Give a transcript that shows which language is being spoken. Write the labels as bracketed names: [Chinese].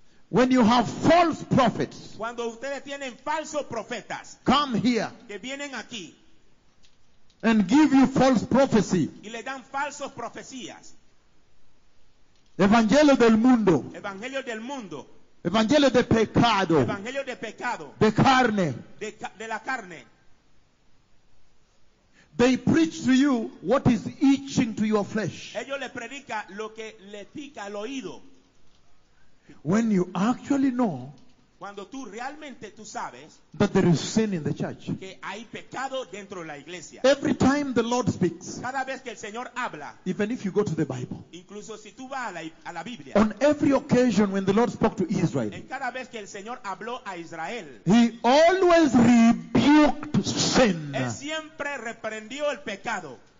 [English] When you have false prophets, [Spanish] cuando ustedes tienen falsos profetas, [English] come here, [Spanish] que vienen aquí, [English] and give you false prophecy. [Spanish] Y le dan falsos profecías. Evangelio del mundo. Evangelio del mundo. Evangelio de pecado. Evangelio de pecado. De carne. De la carne. [English] They preach to you what is itching to your flesh. [Spanish] Ellos le predica lo que le pica al oído. [English] When you actually know. [Spanish] Cuando tú realmente tú sabes [English] that there is sin in the church. [Spanish] Que hay pecado dentro de la iglesia. [English] Every time the Lord speaks, [Spanish] cada vez que el Señor habla, [English] even if you go to the Bible, [Spanish] incluso si tú vas a la Biblia, [English] on every occasion when the Lord spoke to Israel, [Spanish] en cada vez que el Señor habló a Israel, [English] he always rebuked sin. [Spanish] Él siempre reprendió el pecado.